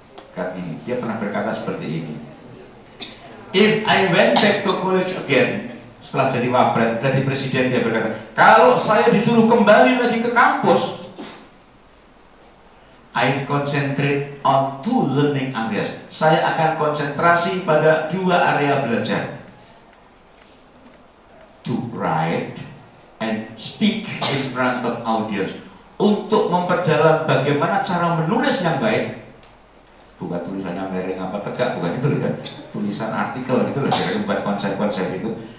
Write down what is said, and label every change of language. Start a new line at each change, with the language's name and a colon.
Indonesian: Kata ini, dia pernah berkata seperti ini.
English: If I went back to college again,
Indonesian: setelah jadi wapret, jadi presiden, dia berkata, kalau saya disuruh kembali lagi ke kampus,
English: I'd concentrate on two learning areas.
Indonesian: Saya akan konsentrasi pada dua area belajar.
English: To write and speak in front of audience.
Indonesian: Untuk memperdalam bagaimana cara menulis yang baik, bukan tulisannya miring apa tegak, bukan itu ya, tulisan artikel gitu lah, jadi buat konsep-konsep itu.